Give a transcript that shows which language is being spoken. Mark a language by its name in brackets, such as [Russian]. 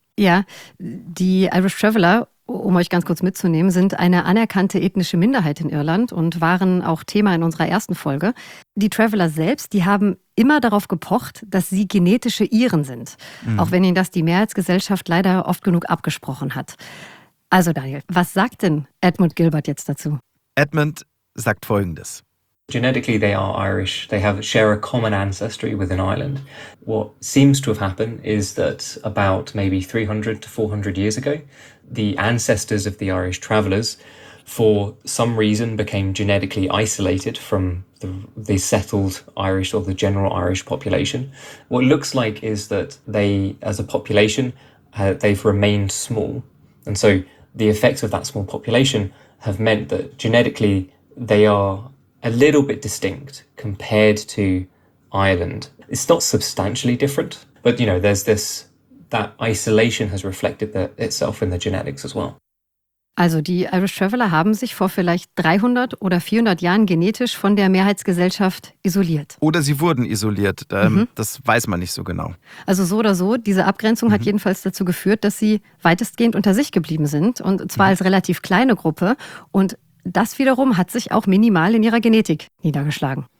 [German] Ja, die Irish Traveller, um euch ganz kurz mitzunehmen, sind eine anerkannte ethnische Minderheit in Irland und waren auch Thema in unserer ersten Folge. Die Traveller selbst, die haben immer darauf gepocht, dass sie genetische Iren sind. Mhm. Auch wenn ihnen das die Mehrheitsgesellschaft leider oft genug abgesprochen hat. Also Daniel, was sagt denn Edmund Gilbert jetzt dazu? Edmund sagt Folgendes. [English] Genetically they are Irish. They have share a common ancestry within Ireland. What seems to have happened is that about maybe 300 to 400 years ago, the ancestors of the Irish travellers, for some reason, became genetically isolated from the settled Irish or the general Irish population. What looks like is that they, as a population, they've remained small. And so the effects of that small population have meant that genetically they are a little bit distinct compared to Ireland. It's not substantially different, but you know, there's this, that isolation has reflected itself in the genetics as well. [German] Also die Irish Traveller haben sich vor vielleicht 300 oder 400 Jahren genetisch von der Mehrheitsgesellschaft isoliert. Oder sie wurden isoliert, das weiß man nicht so genau. Also so oder so, diese Abgrenzung hat jedenfalls dazu geführt, dass sie weitestgehend unter sich geblieben sind und zwar als relativ kleine Gruppe und das wiederum hat sich auch minimal in ihrer Genetik niedergeschlagen.